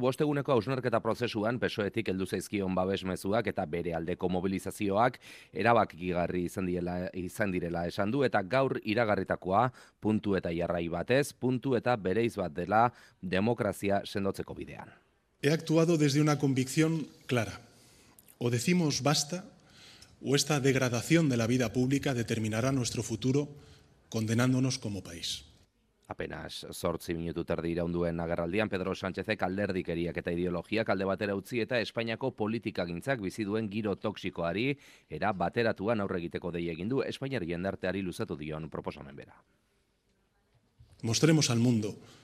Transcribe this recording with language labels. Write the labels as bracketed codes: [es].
[eu] 5 eguneko hausnarketa prozesuan PSOEtik heldu zaizkion babesmezuak eta bere aldeko mobilizazioak erabakigarri izan direla esan du eta gaur iragarritakoa puntu eta jarrai batez, puntu eta bereiz bat dela demokrazia sendotzeko bidean. [es] He actuado desde una convicción clara. O decimos basta o esta degradación de la vida pública determinará nuestro futuro condenándonos como país. [eu] Apenas 8 minutu terdi iraunduen agerraldian Pedro Sánchezek alderdikeriak eta ideologiak alde batera utzi eta Espainiako politikagintzak bizi duen giro toksikoari era bateratuan aurre egiteko dei egin du Espainiar jendarteari luzatu dion proposamen bera. [es] Mostremos al mundo.